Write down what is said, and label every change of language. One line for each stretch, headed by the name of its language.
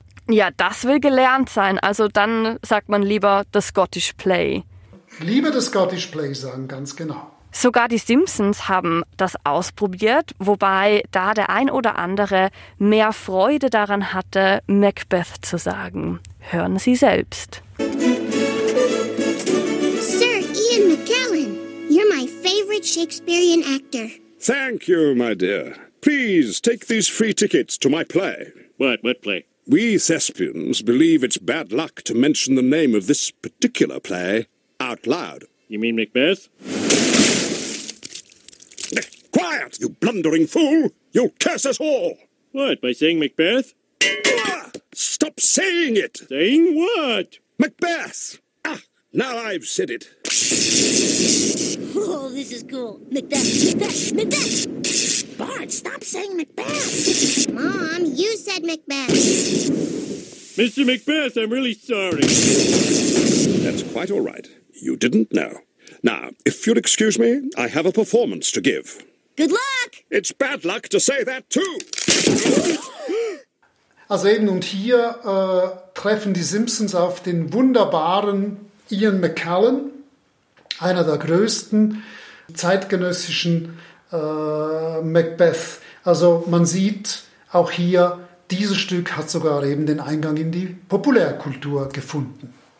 German: Ja, das will gelernt sein. Also dann sagt man lieber The Scottish Play. Lieber The Scottish Play sagen, ganz genau. Sogar die Simpsons haben das ausprobiert, wobei da der ein oder andere mehr Freude daran hatte, Macbeth zu sagen. Hören Sie selbst.
English: Sir Ian McKellen, you're my favorite Shakespearean actor. Thank you, my dear. Please take these free tickets to my play. What play? We thespians believe it's bad luck to mention the name of this particular play out loud. You mean Macbeth? Quiet, you blundering fool! You'll curse us all! What, by saying Macbeth? Stop saying it! Saying what? Macbeth! Ah, now I've said it. Oh, this is cool. Macbeth! Bart, stop saying Macbeth! Mom, you said Macbeth! Mr. Macbeth, I'm really sorry. That's quite all right. You didn't know. Now, if you'll excuse me, I have a performance to give. Good luck! It's bad luck to say that too!
German: Also eben, und hier treffen die Simpsons auf den wunderbaren Ian McKellen, einer der größten zeitgenössischen Macbeth. Also man sieht auch hier, dieses Stück hat sogar eben den Eingang in die Populärkultur gefunden.